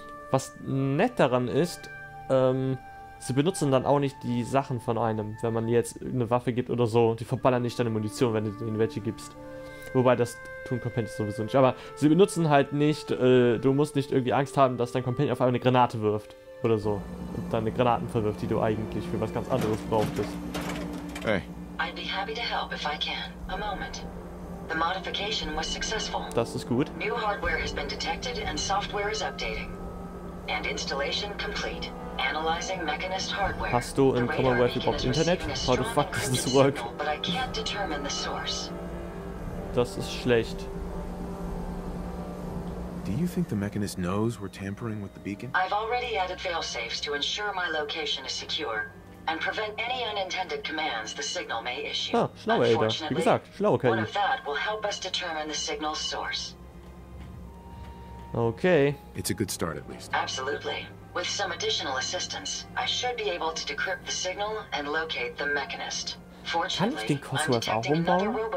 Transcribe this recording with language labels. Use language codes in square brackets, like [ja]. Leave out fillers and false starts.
[de] Was nett daran ist, sie benutzen dann auch nicht die Sachen von einem, wenn man jetzt eine Waffe gibt oder so. Die verballern nicht deine Munition, wenn du ihnen welche gibst. Wobei das tun Companions sowieso nicht. Aber sie benutzen halt nicht, du musst nicht irgendwie Angst haben, dass dein Companion auf einmal eine Granate wirft oder so. Und dann eine Granaten verwirft, die du eigentlich für was ganz anderes brauchtest. [en] Hey. I'd be happy to help if I can. A moment. The modification was successful. [de] Das ist gut. [en] New hardware has been detected and software is updating. And installation complete. Analyzing mechanist hardware. [de] Hast du im Commonwealth überhaupt Internet? [en] How the fuck does this work? But I can't determine the source. [de] Das ist schlecht. [en] Do you think the mechanist knows we're tampering with the beacon? I've already added failsafes to ensure my location is secure. And prevent any unintended commands the signal may issue. [de] Ah, schlaue Ada. Wie gesagt, schlaue KI. [en] One of that will help us determine the signal's source. Okay. It's a good start at least. Absolutely. With some additional assistance, I should be able to decrypt the signal and locate the mechanist. [de] Kann ich den Cosworth auch umbauen?